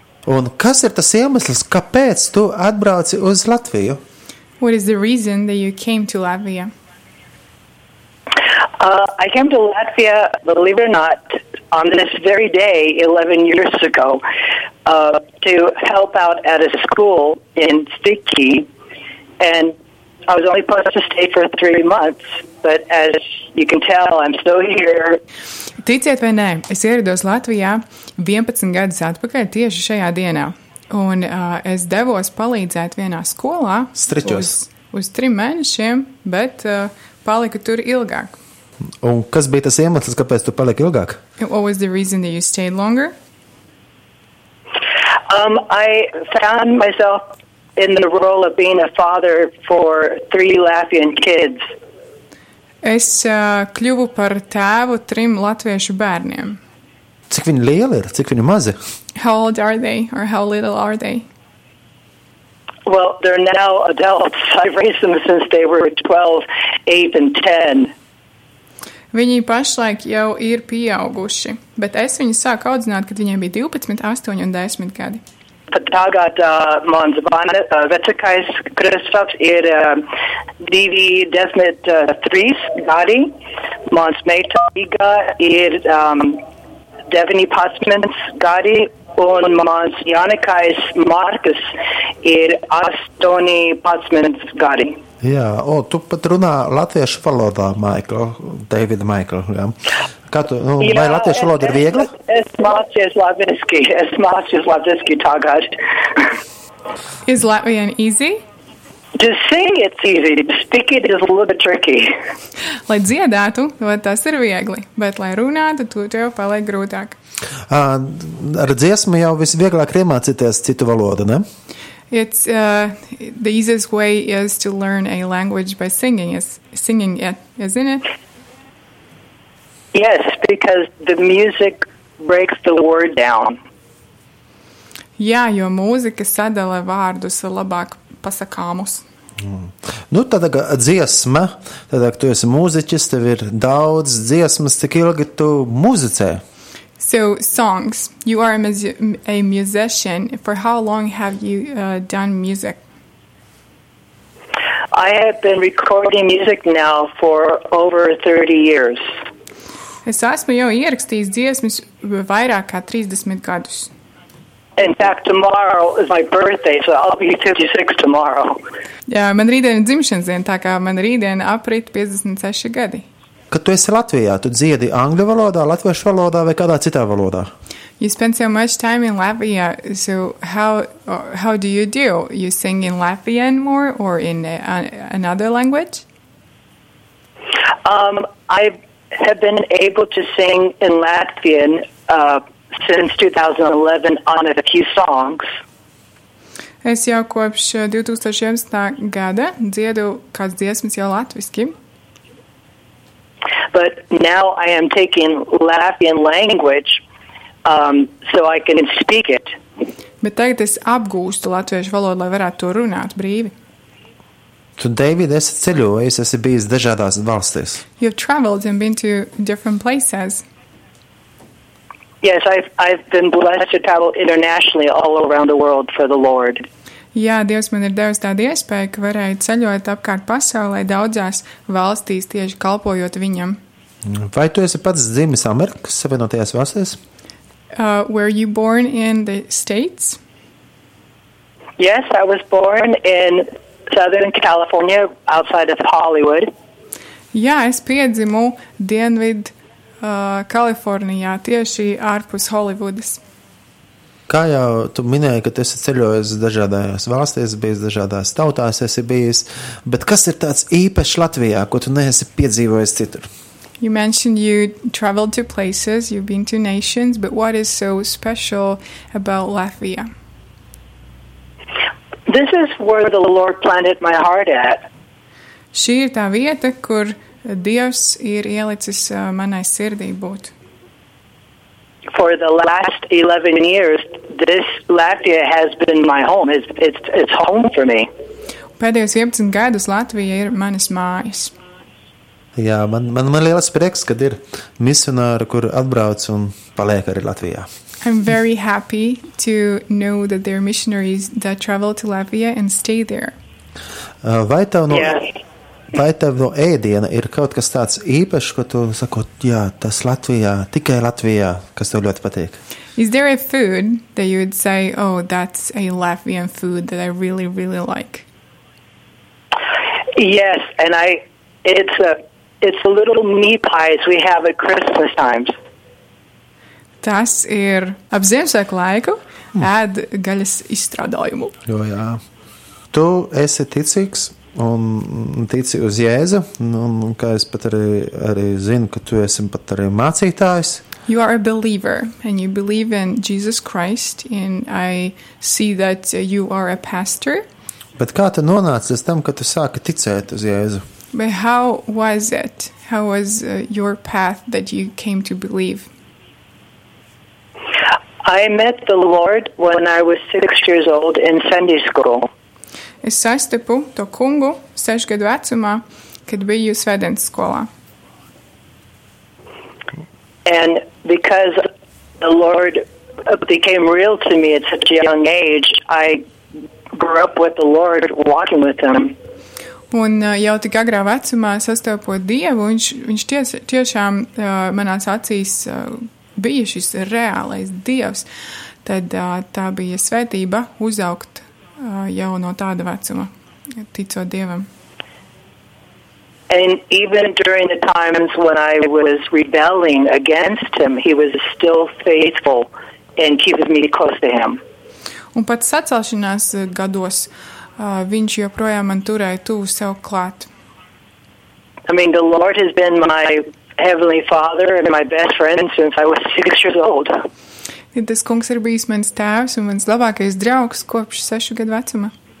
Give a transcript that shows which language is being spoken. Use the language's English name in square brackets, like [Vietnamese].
[Latvian] Un kas ir tas iemesls, kāpēc tu atbrauci uz Latviju? [English] What is the reason that you came to Latvia? I came to Latvia, believe it or not, on this very day, 11 years ago, to help out at a school in Stiki, and I was only supposed to stay for 3 months, but as you can tell, I'm still here. [Latvian] Ticiet vai nē, es ierados Latvijā 11 gadus atpakaļ tieši šajā dienā, un es devos palīdzēt vienā skolā uz 3 mēnešiem, bet paliku tur ilgāk. Un kas bija tas iemesls, kāpēc tu paliki ilgāk? [English] What was the reason that you stayed longer? I found myself in the role of being a father for 3 Latvian kids. [Latvian] Es kļuvu par tēvu 3 latviešu bērniem. Cik viņi lieli ir? Cik viņi mazi? [English] How old are they? Or how little are they? Well, they're now adults. I've raised them since they were 12, 8, and 10. [Latvian] Viņi pašlaik jau ir pieauguši, bet es viņu sāku audzināt, kad viņiem bija 12, 8 un 10 gadi. Tagad mans vecākais Kristaps ir 2, 10, 3 gadi. Mans meita Iga ir 19 gadi. Un mans jaunākais Markus ir 18 gadi. Jā, o, tu pat runā latviešu valodā, Michael, David Michael, jā. Kā tu, nu, jā, vai latviešu valoda ir viegli? Es mācies latviski tagad. [English] Is Latvian easy? To sing it's easy, to speak it is a little bit tricky. [Latvian] Lai dziedātu, tas ir viegli, bet lai runātu, tu jau paliek grūtāk. Ar dziesmu jau visvieglāk iemācīties citu valodu, ne? [English] It's the easiest way is to learn a language by singing it, isn't it? Yes, because the music breaks the word down. [Latvian] Jā, jo mūzika sadala vārdus labāk pasakāmus. Nu, tātad dziesma, tātad tu esi mūziķis, tev ir daudz dziesmas, cik ilgi tu mūzicē? [English] So, songs. You are a musician. For how long have you done music? I have been recording music now for over 30 years. [Latvian] Es esmu jau ierakstījis dziesmas vairāk kā 30 gadus. [English] In fact, tomorrow is my birthday, so I'll be 56 tomorrow. [Latvian] Jā, man rītdien ir dzimšanas diena, tā kā man rītdien aprit 56 gadi. Kad tu esi Latvijā, tu dziedi angļu valodā, latviešu valodā vai kādā citā valodā? [English] You spend so much time in Latvia, so how do you do? You sing in Latvian more or in another language? I have been able to sing in Latvian since 2011 on a few songs. [Latvian] Es jau kopš 2011. Gada dziedu kāds dziesmas jau latviski. [English] But now I am taking Latvian language so I can speak it. [Latvian] Bet tagad es apgūstu latviešu valodu, lai varētu to runāt brīvi. Tu, David, esi ceļojis, esi bijis dažādās valstīs. [English] You've traveled and been to different places. Yes, I've been blessed to travel internationally all around the world for the Lord. [Latvian] Jā, Dievs man ir devis tādu iespēju, ka varēju ceļot apkārt pasaulē daudzās valstīs tieši kalpojot viņam. Vai tu esi pats dzimis Amerikas Savienotajās valstīs? [English] Were you born in the States? Yes, I was born in Southern California, outside of Hollywood. [Latvian] Jā, es piedzimu Dienvid Kalifornijā, tieši ārpus Hollywoodas. Kā jau tu minēji, ka tu esi ceļojis dažādās valstīs, bijis dažādās tautās esi bijis, bet kas ir tāds īpašs Latvijā, ko tu neesi piedzīvojis citur? [English] You mentioned you traveled to places, you've been to nations, but what is so special about Latvia? This is where the Lord planted my heart at. [Latvian] Šī ir tā vieta, kur Dievs ir ielicis manai sirdī būt. [English] For the last 11 years, this Latvia has been my home. It's home for me. [Latvian] Pēdējos 11 gadus Latvija ir manas mājas. Jā, man liels prieks, kad ir misionāri, kur atbrauc un paliek arī Latvijā. [English] I'm very happy to know that there are missionaries that travel to Latvia and stay there. [Latvian] Vai tev no ēdiena ir kaut kas tāds īpašs, ko tu sakot, jā, tas Latvijā, tikai Latvijā, kas tev ļoti patīk? [English] Is there a food that you would say, oh, that's a Latvian food that I really, really like? Yes, and it's a little meat pies we have at Christmas times. [Latvian] Tas ir ap Ziemassvētku laiku, ēd gaļas izstrādājumu. Jo, jā. Tu esi ticīgs? Un tici uz Jēzu, un kā es pat arī zinu, ka tu esi pat arī mācītājs. [English] You are a believer, and you believe in Jesus Christ, and I see that you are a pastor. [Latvian] Bet kā tu nonācis tam, ka tu sāki ticēt uz Jēzu? [English] But how was it? How was your path that you came to believe? I met the Lord when I was 6 years old in Sunday school. [Latvian] es sastapu to kungu 6 gadu vecumā, kad biju svētdienas skolā. [English] And because the Lord became real to me at such a young age, I grew up with the Lord, walking with him. [Latvian] Un jau tik agrā vecumā sastopot Dievu, viņš tiešām manās acīs bija šis reālais Dievs. Tad tā bija svētība uzaugt jau no tāda vecuma, ticot Dievam. [English] And even during the times when I was rebelling against him, he was still faithful and keeping me close to him. [Latvian] Un pat sacelšanās gados, viņš joprojām man turēja tuvu sev klāt. [English] I mean, the Lord has been my heavenly father and my best friend since I was 6 years old. [Latvian] Ja tas kungs ir bijis mans tēvs un mans labākais draugs kopš 6 gadu vecuma.